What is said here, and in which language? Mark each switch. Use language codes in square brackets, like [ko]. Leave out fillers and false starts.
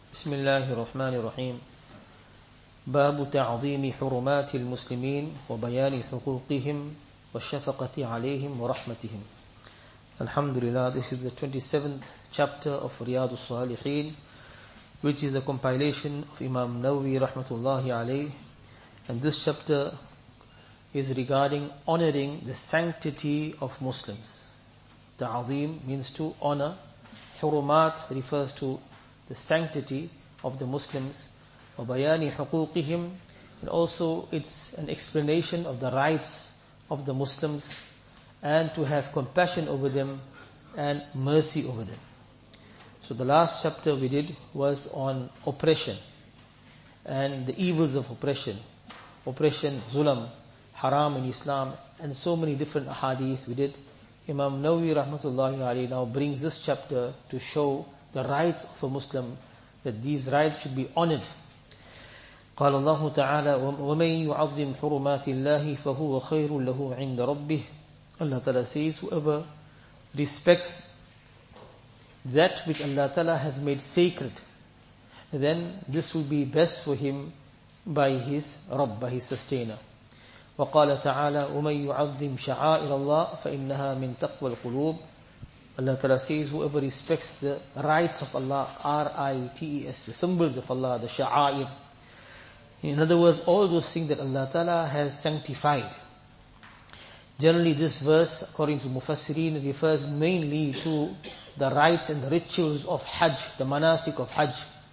[ar] بسم الله الرحمن الرحيم باب تعظيم حرمات المسلمين وبيان حقوقهم والشفقة عليهم ورحمتهم الحمد لله. [en] This is the 27th chapter of Riyadu Salihin, which is a compilation of Imam Nawawi rahmatullahi alayh. And this chapter is regarding honoring the sanctity of Muslims. تعظيم means to honor. حرمات refers to the sanctity of the Muslims. [ar] وَبَيَانِ حُقُوقِهِمْ, [en] and also it's an explanation of the rights of the Muslims, and to have compassion over them and mercy over them. So the last chapter we did was on oppression and the evils of oppression. Oppression, zulam, haram in Islam, and so many different ahadith we did. Imam Nawawi rahmatullahi alayhi now brings this chapter to show the rights of a Muslim, that these rights should be honored. [ar] قال الله تعالى ومن يعظم حرمات الله فهو خير له عند ربه. [en] Allah Ta'ala says, whoever respects that which Allah Ta'ala has made sacred, then this will be best for him by his Rabb, by his sustainer. [ar] وقال تعالى ومن يعظم شعائر الله فإنها من تقوى القلوب. [en] Allah Ta'ala says, whoever respects the rights of Allah, R-I-T-E-S, the symbols of Allah, the sha'air. In other words, all those things that Allah Ta'ala has sanctified. Generally, this verse, according to Mufassirin, refers mainly to the rites and the rituals of Hajj, the manasik of Hajj.